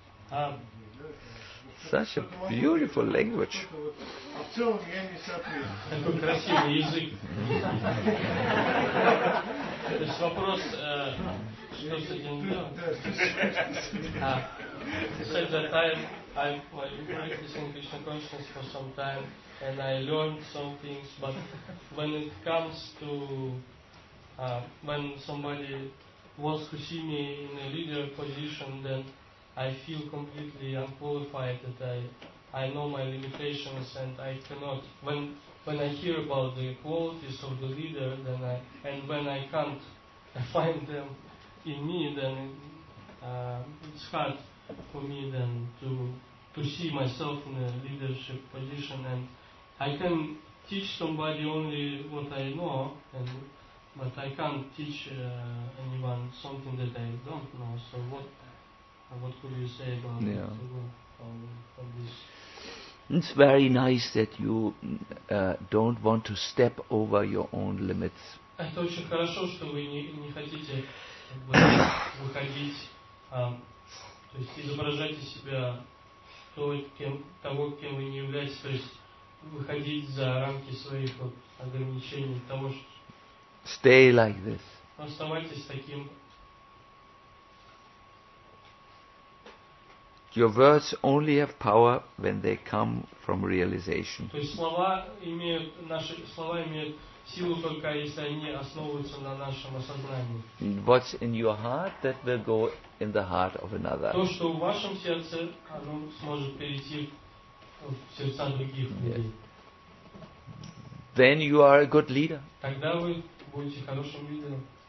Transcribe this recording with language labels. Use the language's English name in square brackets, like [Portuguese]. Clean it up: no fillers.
[Russian] научиться. [English] Such a beautiful language. [Russian] А в целом я не соответствую. Такой красивый язык. То есть вопрос, что с этим делать? Да, [English] I've practiced in Krishna consciousness for some time and I learned some things, but when it comes to when somebody wants to see me in a leader position, then I feel completely unqualified, that I know my limitations and I cannot. When I hear about the qualities of the leader, then I, and when I can't find them in me, then it's hard for me then to see myself in a leadership position, and I can teach somebody only what I know, and but I can't teach anyone something that I don't know. So what could you say about this? It's very nice that you don't want to step over your own limits. [Russian] Это очень хорошо, что вы не хотите выходить. То есть изображайте себя того, кем вы не являетесь, то есть выходить за рамки своих вот ограничений, того, что... [English] Stay like this. [Russian] Оставайтесь таким. [English] Your words only have power when they come from realization. [Russian] То есть слова имеют, наши слова имеют силу только, если они основываются на нашем осознании. [English] What's in your heart, that will go in the heart of another. [Russian] То, что в вашем сердце, оно сможет перейти в сердца других людей. [English] Then you are a good leader. [Russian] Тогда вы будете хорошим лидером.